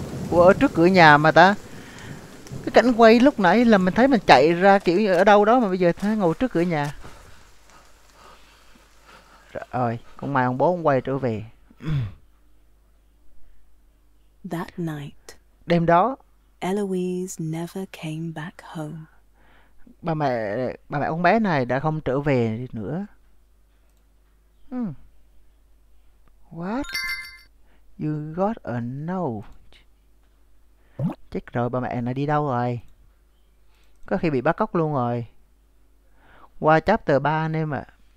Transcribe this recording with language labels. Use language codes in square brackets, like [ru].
[vi] Ủa, ở trước cửa nhà mà ta. Cái cảnh quay lúc nãy là mình thấy mình chạy ra kiểu như ở đâu đó mà bây giờ thấy ngồi trước cửa nhà. Rồi, con mai ông bố ông quay trở về. [en] That night, [vi] Đêm đó [en] Eloise never came back home. [vi] bà mẹ ông bé này đã không trở về nữa. [en] What? You got a note. [vi] Chết rồi, bà mẹ này đi đâu rồi? Có khi bị bắt cóc luôn rồi. Qua chapter 3 anh em ạ. À.